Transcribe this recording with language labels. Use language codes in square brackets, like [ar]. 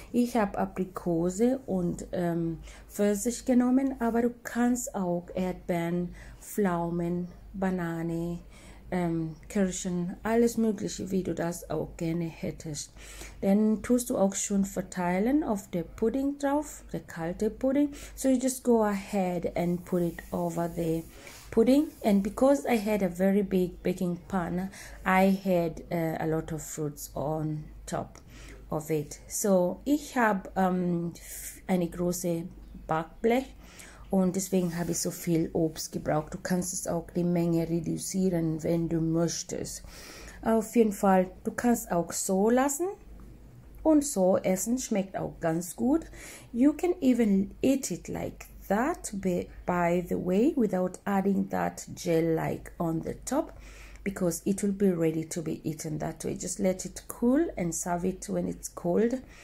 [de] Ich habe Aprikose und Pfirsich genommen, aber du kannst auch Erdbeeren, Pflaumen, Banane, Kirschen, alles mögliche, wie du das auch gerne hättest. Dann tust du auch schon verteilen auf der Pudding drauf, der kalte Pudding. [en] So you just go ahead and put it over the pudding. And because I had a very big baking pan, I had a lot of fruits on top of it. [de] So ich habe eine große Backblech. Und deswegen habe ich so viel Obst gebraucht. Du kannst es auch die Menge reduzieren, wenn du möchtest. Auf jeden Fall, du kannst auch so lassen. Und so essen schmeckt auch ganz gut. [en] You can even eat it like that, by the way, without adding that gel-like on the top. Because it will be ready to be eaten that way. Just let it cool and serve it when it's cold.